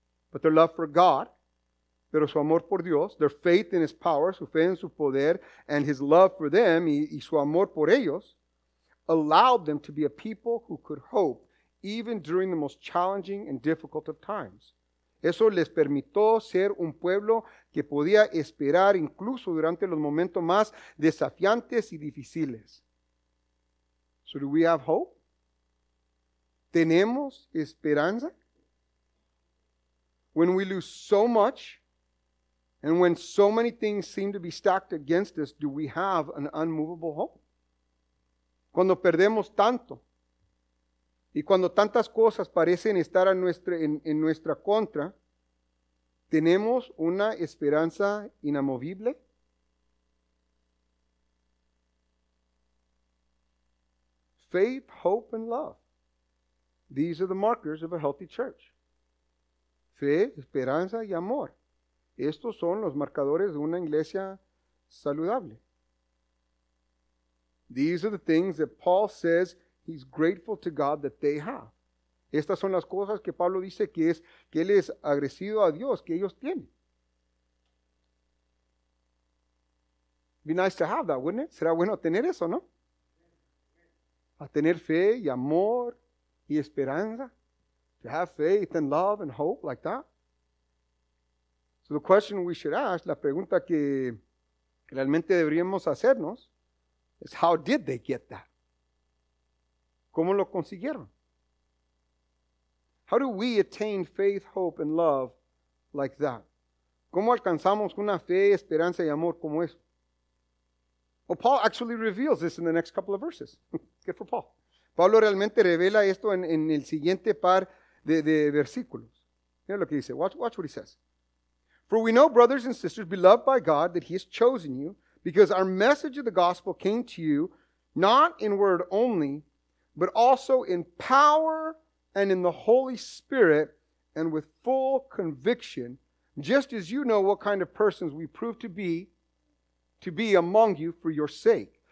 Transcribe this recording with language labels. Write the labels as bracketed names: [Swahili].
[English] But their love for God, [Spanish] pero su amor por Dios, [English] their faith in His power, [Spanish] su fe en su poder, [English] and His love for them, [Spanish] y su amor por ellos, [English] allowed them to be a people who could hope, even during the most challenging and difficult of times. [Spanish] Eso les permitió ser un pueblo que podía esperar incluso durante los momentos más desafiantes y difíciles. [English] So do we have hope? [Spanish] ¿Tenemos esperanza? [English] When we lose so much, and when so many things seem to be stacked against us, do we have an unmovable hope? [Spanish] Cuando perdemos tanto, y cuando tantas cosas parecen estar en nuestra contra, ¿tenemos una esperanza inamovible? [English] Faith, hope, and love. These are the markers of a healthy church. [Spanish] Fe, esperanza, y amor. Estos son los marcadores de una iglesia saludable. [English] These are the things that Paul says he's grateful to God that they have. [Spanish] Estas son las cosas que Pablo dice que es que él es agradecido a Dios que ellos tienen. [English] Be nice to have that, wouldn't it? [Spanish] Será bueno tener eso, ¿no? A tener fe y amor y esperanza. [English] To have faith and love and hope like that. So the question we should ask, [Spanish] la pregunta que realmente deberíamos hacernos, [English] is how did they get that? [Spanish] ¿Cómo lo consiguieron? [English] How do we attain faith, hope, and love like that? [Spanish] ¿Cómo alcanzamos una fe, esperanza y amor como eso? [English] Well, Paul actually reveals this in the next couple of verses. Good for Paul. [Spanish] Pablo realmente revela esto en el siguiente par de versículos. Mira lo que dice. [English] Watch what he says. For we know, brothers and sisters, beloved by God, that he has chosen you, because our message of the gospel came to you, not in word only, but also in power and in the Holy Spirit and with full conviction, just as you know what kind of persons we prove to be among you for your sake.